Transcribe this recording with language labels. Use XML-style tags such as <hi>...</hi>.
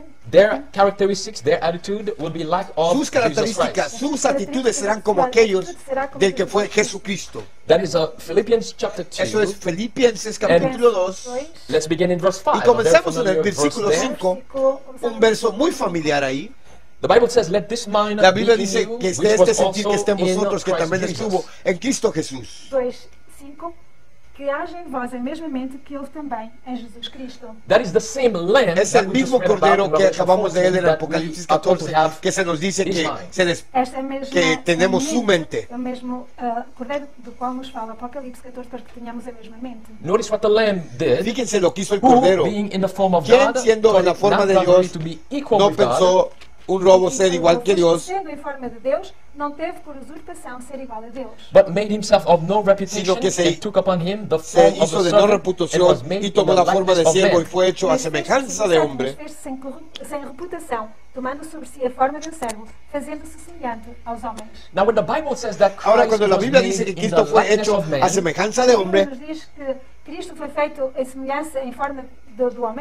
<en>Their characteristics, their attitude will be like of</en> <es>sus características,</es> <en>Jesus Christ.</en> <es>Sus actitudes serán como aquellos del que fue Jesucristo.</es> <en>That is Philippians chapter 2.</en> <es>Eso es Filipenses capítulo 2.</es> <en>Let's begin in verse 5.</en> <es>Y comenzamos en el versículo 5, un verso muy familiar ahí.</es> <en>The Bible says, "Let this mind</en> <es>la Biblia dice que es de este sentir que estemos nosotros que también estuvo en Cristo Jesús.</es> <pt>2:5 Que haja em vós a mesma mente que houve também em Jesus Cristo.</pt> <en>That is the same lamb</en> <es>es el mismo cordero que acabamos de leer en Apocalipsis 14, que se nos dice que, que tenemos su mente.</es> <pt>O mesmo cordero do qual nos fala Apocalipsis 14, para que tenhamos a mesma mente.</pt> <en>Notice what the lamb did.</en> <es>Fíjense lo que hizo el cordero.</es> <en>Being in the form of</en> <es>quien,</es> <en>God,</en> <es>siendo en la forma de Dios, no pensó un robo ser igual que Dios,</es> <pt>sendo em forma de Deus, não teve por usurpação ser igual a Deus.</pt> <en>But made himself of no reputation,</en> <es>que se</es> <en>took upon him the form of a servant,</en> <es>no reputación, y tomó la forma de siervo y fue hecho a semejanza de hombre.</es> <pt>Sem reputação, tomando sobre si a forma de servo, fazendo-se semelhante aos homens.</pt> <en>Now when the Bible says that Christ,</en> <es>ahora cuando la Biblia dice que Cristo fue hecho a semejanza de hombre,</es> <pt>diz que Cristo foi feito em semelhança em forma do</pt>